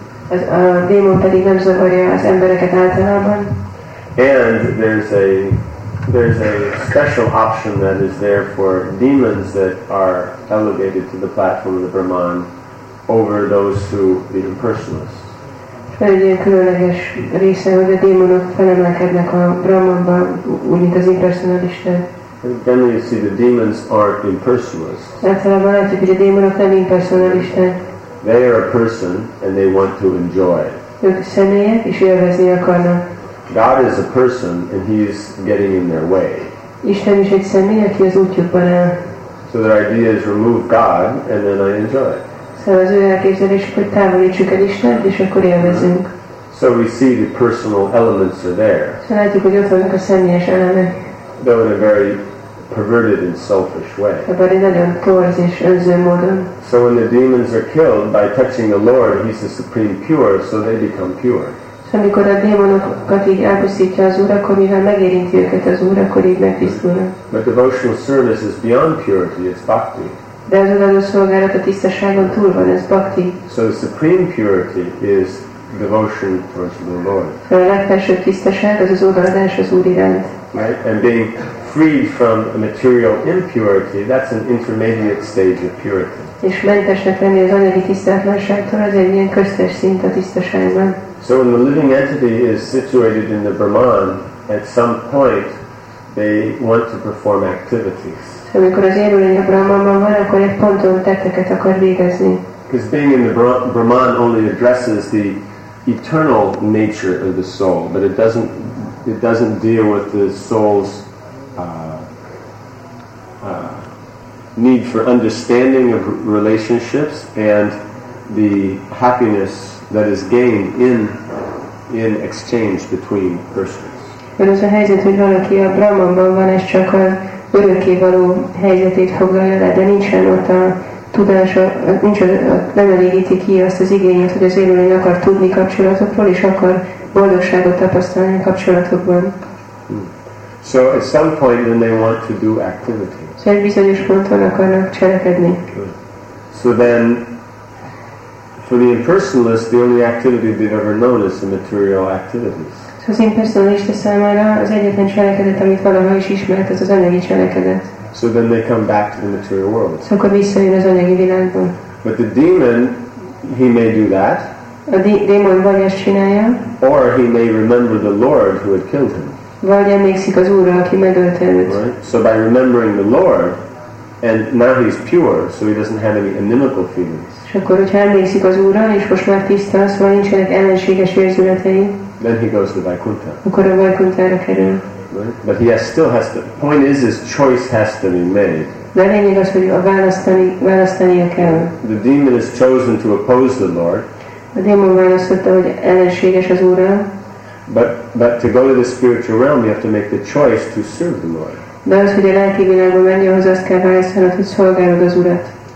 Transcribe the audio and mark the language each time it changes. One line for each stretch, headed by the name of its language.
Hungarian: A démon pedig nem zavarja az embereket általában.
English: And there's a special option that is there for demons that are elevated to the platform of the Brahman over those who the impersonalists.
Hungarian: Egy különleges része, hogy a démonok felemelkednek a Brahmanba, úgy mint az impersonalisták.
English: Then you see the demons aren't impersonalists.
Hungarian: Általában látjuk, hogy a démonok nem impersonalisták.
English: They are a person and they want to enjoy.
Hungarian: Ők személyek és élvezni akarnak.
English: God is a person, and He is getting in their way.
Hungarian: Isten is egy személy, aki az útjukban áll.
English: So their idea is remove God, and then I enjoy.
Hungarian: So az ő elképzelésük, hogy távolítsuk el Istent, és akkor élvezünk.
English: So we see the personal elements are there.
Hungarian: So látjuk, hogy ott vannak a személyes elemek.
English: Though in a very perverted and selfish way. But in a very
Hungarian: torz és önző módon.
English: So when the demons are killed by touching the Lord, He's the supreme pure, so they become pure.
Hungarian: Amikor a démonokat így elpusztítja az Úr, akkor mivel megérinti őket az Úr, akkor így megtisztulnak.
English: But devotional service is beyond purity, it's bhakti.
Hungarian: De az odaadó szolgálat a tisztaságon túl van, ez bhakti.
English: So the supreme purity is devotion towards the Lord.
Hungarian: A legfelsőbb tisztaság az odaadás az Úr iránt.
English: Right? And being freed from material impurity, that's an intermediate stage of purity.
Hungarian: És mentesnek lenni az anyagi tisztátlanságtól, az egy ilyen köztes szint a tisztaságban.
English: So when the living entity is situated in the Brahman, at some point they want to perform activities.
Hungarian: So, amikor az élőlény a Brahmanban van, akkor egy ponton tetteket akar végezni.
English: Because being in the Brahman only addresses the eternal nature of the soul, but it doesn't deal with the soul's need for understanding of relationships and the happiness that is gained in exchange between persons.
Hungarian: Mert az a helyzet, hogy valaki a Brahmanban van, ez csak az örökké való helyzetét foglalja le, de nincsen ott a tudása, nem elégíti ki azt az igényét, hogy az élőlény akar tudni kapcsolatokról, és akar boldogságot tapasztalni a kapcsolatokban.
English: So at some point then they want to do activity.
Hungarian: So egy bizonyos ponton akarnak cselekedni.
English: So then for the impersonalist, the only activity they've ever known is the material activities.
Hungarian: So az impersonalista számára az egyetlen cselekedet, amit valaha is ismert, az anyagi cselekedet.
English: So then they come back to the material world.
Hungarian: So akkor visszajön az anyagi világba.
English: But the demon, he may do that.
Hungarian: A démon vagy ezt csinálja.
English: Or he may remember the Lord who had killed him.
Hungarian: Vagy emlékszik az Úrra, aki megölte őt.
English: So by remembering the Lord, and now he's pure, so he doesn't have any inimical feelings.
Hungarian: És akkor, hogyha emlékszik az Úrra, és most már tiszta, szóval nincsenek ellenséges érzületei.
English: then he goes to Vaikuntha.
Hungarian: Akkor a Vaikuntha-ra kerül.
English: But he still has to. Point is, his choice has to be made.
Hungarian: De lényeg az, hogy a választania kell.
English: The demon is chosen to oppose the Lord.
Hungarian: A démon választotta, hogy ellenséges az Úrra.
English: But to go to the spiritual realm, you have to make the choice to serve the Lord.
Hungarian: De az, hogy a lelki világba menni, ahhoz azt kell választanod, hogy szolgálod az Urat.